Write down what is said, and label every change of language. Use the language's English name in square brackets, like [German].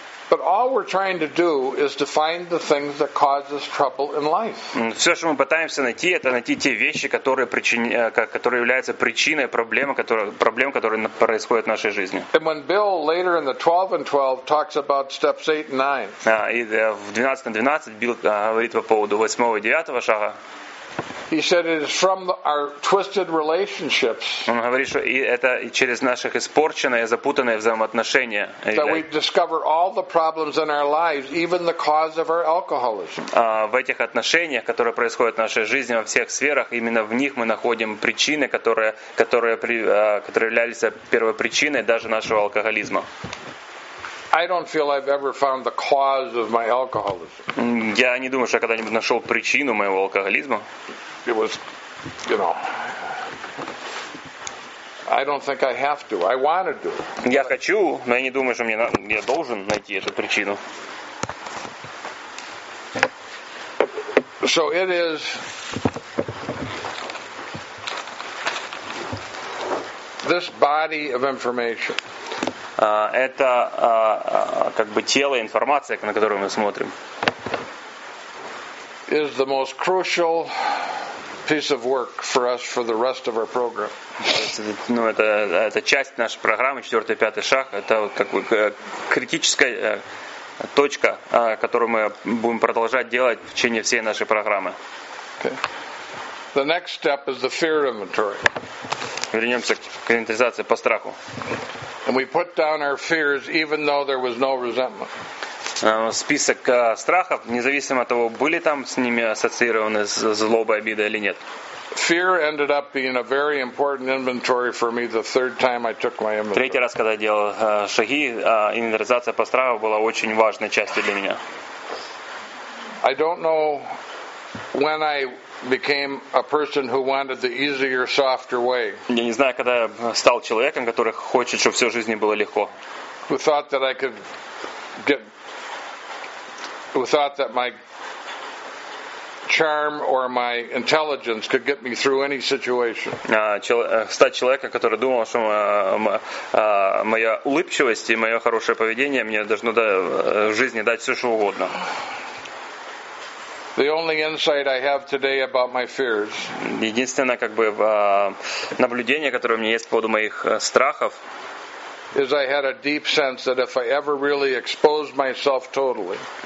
[English] But all we're trying to do is to find the things that cause us trouble in life. [Russian] Все, что мы пытаемся найти, это найти те вещи, которые являются причиной проблем, которые происходят в нашей жизни. [English] And when Bill later in the 12 and 12 talks about steps 8 and 9. [Russian] И в 12 and 12 Билл говорит по поводу 8-го и 9 шага. [English] He said it is from our twisted relationships. [Russian] Он говорит, что это через наши испорченные, запутанные взаимоотношения. [English] That we discover all the problems in our lives, even the cause of our alcoholism. [Russian] В этих отношениях, которые происходят в нашей жизни во всех сферах, именно в них мы находим причины, которые являлись первопричиной даже нашего алкоголизма. [English] I don't feel I've ever found the cause of my alcoholism. [Russian] Я не думаю, что я когда-нибудь нашел причину моего алкоголизма. [English] It was, you know, I don't think I have to. I want to do it. [Russian] Я хочу, но я не думаю, что я должен найти эту причину. [English] So it is. This body of information. [Russian] Это как бы тело информации, на которую мы смотрим. [English] Is the most crucial piece of work for us for the rest of our program. [Russian] Ну это часть нашей программы, 4-й, 5-й шаг. Это как бы критическая точка, которую мы будем продолжать делать в течение всей нашей программы. [English] Okay. The next step is the fear inventory. [Russian] Вернемся к инвентаризации по страху. [English] And we put down our fears, even though there was no resentment. [Russian] Список страхов, независимо от того, были там с ними ассоциированы злоба, обида или нет. [English] Fear ended up being a very important inventory for me the third time I took my inventory. [Russian] Третий раз, когда я делал шаги, инвентаризация по страху была очень важной частью для меня. [English] I don't know when I became a person who wanted the easier, softer way. [Russian] Я не знаю, когда я стал человеком, который хочет, чтобы всю жизнь было легко. [English] Who thought that I could get who thought that my charm or my intelligence could get me through any situation. [Russian] Стать человеком, который думал, что моя улыбчивость и мое хорошее поведение мне должно в жизни дать все, что угодно. [English] The only insight I have today about my fears. [Russian] Единственное, как бы, наблюдение, которое у меня есть по поводу моих страхов. [English] Is I had a deep sense that if I ever really exposed myself totally.